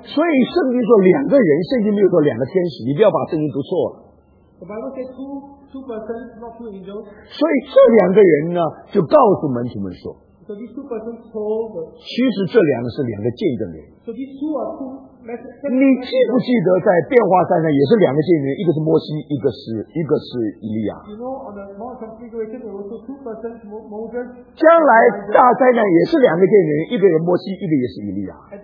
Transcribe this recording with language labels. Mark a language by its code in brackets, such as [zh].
[zh] 所以圣经说两个人，圣经没有说两个天使，你不要把圣经读错了。 [en] The Bible says two persons, not two angels. [zh] 所以这两个人呢，就告诉门徒们说。 [en] So these two persons told. [zh] 其实这两个是两个见证人。 [en] So these two are two. [zh] 你记不记得在变化山上也是两个见证人，一个是摩西，一个是以利亚。将来大灾难也是两个见证人，一个是摩西，一个也是以利亚。